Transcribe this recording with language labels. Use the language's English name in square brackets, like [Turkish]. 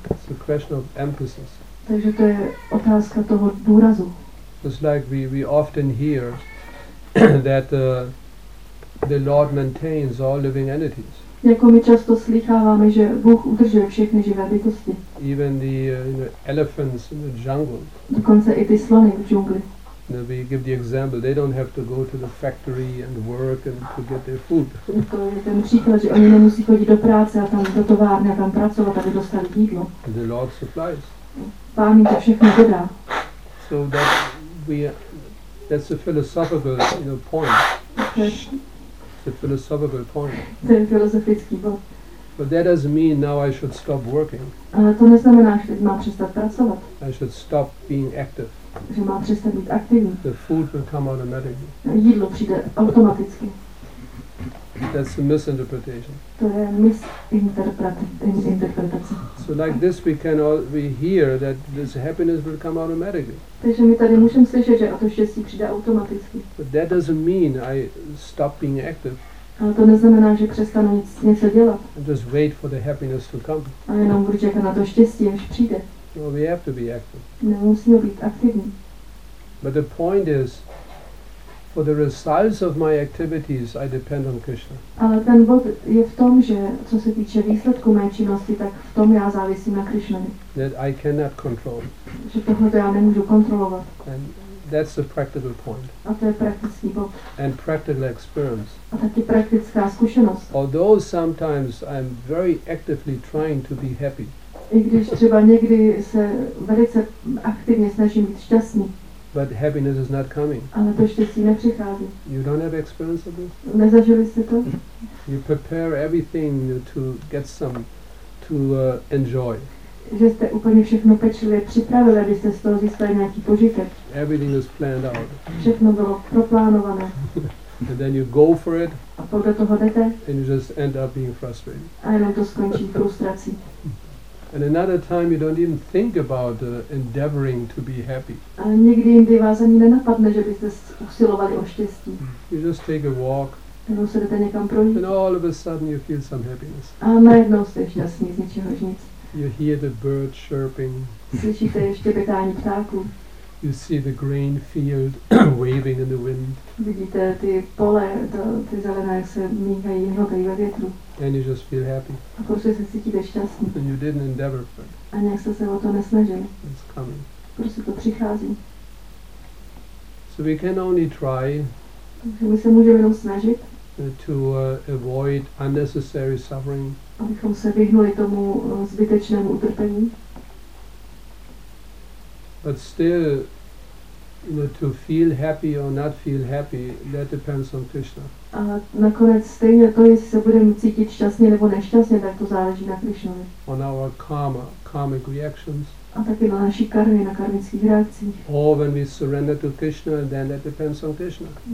[English] It's a question of emphasis. [Czech] Takže to je otázka toho důrazu. [English] Just like we often hear that the Lord maintains all living entities. [Czech] Jako my často slýcháváme, že Bůh udržuje všechny živé bytosti. [English] Even the elephants in the jungle. [Czech] Dokonce i ty slony v džungli. [English] Now we give the example, they don't have to go to the factory and work and to get their food. [Czech] Ten příklad, že oni nemusí chodit do práce a tam do továrny a tam pracovat, aby dostali jídlo. [English] And the Lord supplies. [Czech] Pán jim to všechno dodá. [English] So that we are, that's a philosophical, you know, point. It's a philosophical point. [Czech] Ten filozofický bod. [English] But that doesn't mean now I should stop working. [Czech] Ale to neznamená, že mám přestat pracovat. [English] I should stop being active. [Czech] Že mám přestat být aktivní. [English] The food will come automatically. [Czech] Jídlo přijde automaticky. [English] That's a misinterpretation. [Czech] To je misinterpretace. [English] So like this we can all we hear that this happiness will come automatically. [Czech] Takže my tady můžeme slyšet, že to štěstí přijde automaticky. [English] But that doesn't mean I stop being active. [Czech] Ale to neznamená, že přestanu něco dělat. [English] Just wait for the happiness to come. [Czech] A jenom budu čekat na to štěstí, až přijde. [English] Well, we have to be active. [Czech] Nemusíme být aktivní. [English] But the point is, for the results of my activities, I depend on Krishna. [Czech] Ale ten bod je v tom, že co se týče výsledku mé činnosti, tak v tom já závisím na Krišnovi. [English] That I cannot control. [Czech] Že tohle já nemůžu kontrolovat. [English] And that's the practical point. [Czech] A to je praktický bod. [English] And practical experience. [Czech] A taky praktická zkušenost. [English] Although sometimes I'm very actively trying to be happy. [Czech] I když třeba někdy se velice aktivně snažím být šťastný. [English] But happiness is not coming. [Czech] Ale to štěstí nepřichází. [English] You don't have experience of this? [Czech] Nezažili jste to? [English] You prepare everything to get some, to enjoy. [Czech] Že jste úplně všechno pečlivě připravili, abyste z toho získali nějaký požitek. [English] Everything is planned out. [Czech] Všechno bylo proplánované. [English] And then you go for it. [Czech] A podle toho jdete. [English] And you just end up being frustrated. [Czech] A jenom to skončí frustrací. [English] And another time you don't even think about endeavoring to be happy. [Czech] A nikdy jindy vás ani nenapadne, že byste usilovali o štěstí. [English] You just take a walk. [Czech] Jenom se jdete někam projít. [English] And all of a sudden you feel some happiness. [Czech] A najednou jste šťastný z ničeho nic. [English] You hear the birds chirping. [Czech] Slyšíte ještě pětání ptáků. [English] You see the grain field waving in the wind. [Czech] Vidíte ty pole, ty zelené, jak se míhají hnoty ve větru. [English] And you just feel happy. [Czech] A prostě se cítíte šťastný. [English] And you didn't endeavor for it. [Czech] A nějak jste se o to nesnažili. [English] It's coming. [Czech] Prostě to přichází. [English] So we can only try. [Czech] Takže my se můžeme jenom snažit. [English] To avoid unnecessary suffering. [Czech] Abychom se vyhnuli tomu zbytečnému utrpení. [English] But still, you know, to feel happy or not feel happy, that depends on Krishna. [Czech] A nakonec stejně to, jestli se budeme cítit šťastně nebo nešťastně, tak to záleží na Krišnovi. [English] On our karma, karmic reactions. [Czech] A taky na naší karmě, na karmických reakcích. [English] Or when we surrender to Krishna, then that depends on Krishna.